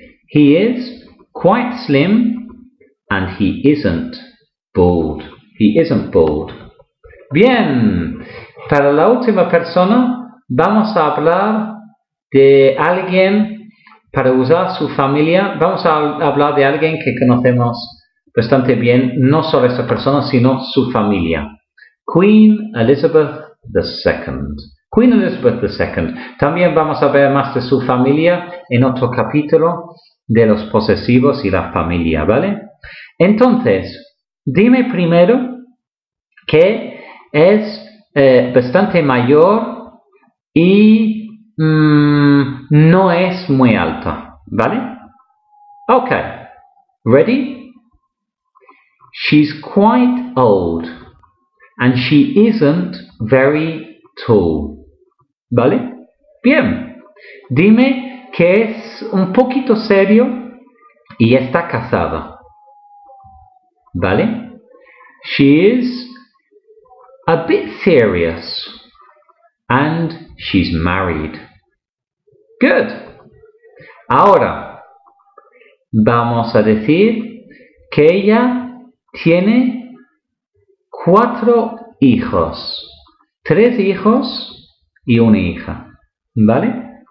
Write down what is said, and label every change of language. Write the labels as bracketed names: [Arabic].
[English] He is quite slim and he isn't bald. He isn't bald. Bien. [Spanish] Para la última persona, vamos a hablar de alguien para usar su familia. Vamos a hablar de alguien que conocemos bastante bien. No solo esta persona, sino su familia. Queen Elizabeth II. Queen Elizabeth II. También vamos a ver más de su familia en otro capítulo de los posesivos y la familia, ¿vale? Entonces, dime primero que es bastante mayor y no es muy alta, ¿vale? [English] Ok. Ready? She's quite old and she isn't very tall. [Spanish] ¿Vale? Bien. Dime que es un poquito serio y está casada. ¿Vale? [English] She is a bit serious and she's married. Good. [Spanish] Ahora, vamos a decir que ella tiene 4 hijos. 3 hijos y una hija, ¿vale?